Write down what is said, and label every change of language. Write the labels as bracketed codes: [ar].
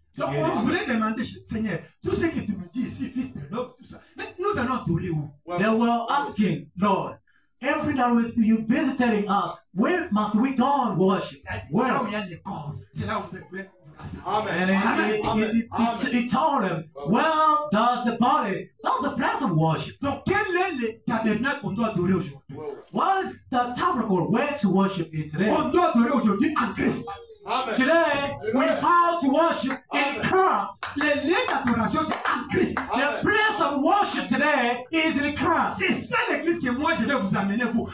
[fr] Donc on voulait demander, Seigneur, tout ce que tu nous dis ici, fils de l'homme, tout ça, mais nous allons adorer où? [en] They were asking, Lord, every time you visiting us, where must we go and worship? Where? [fr] Là où il y a les corps, c'est là où vous êtes. Amen. [en] And he told him, well, does the body, that's the place of worship. [fr] Donc, quel est le tabernacle qu'on doit adorer aujourd'hui? [en] What is the tabernacle where to worship in today? [fr] On doit adorer aujourd'hui en Christ. Amen. [en] Today, amen. We have to worship in Christ. [fr] Le lieu d'adoration, c'est en Christ. [en] The place of worship today is in Christ. [fr] C'est ça l'église que moi je vais vous amener, vous.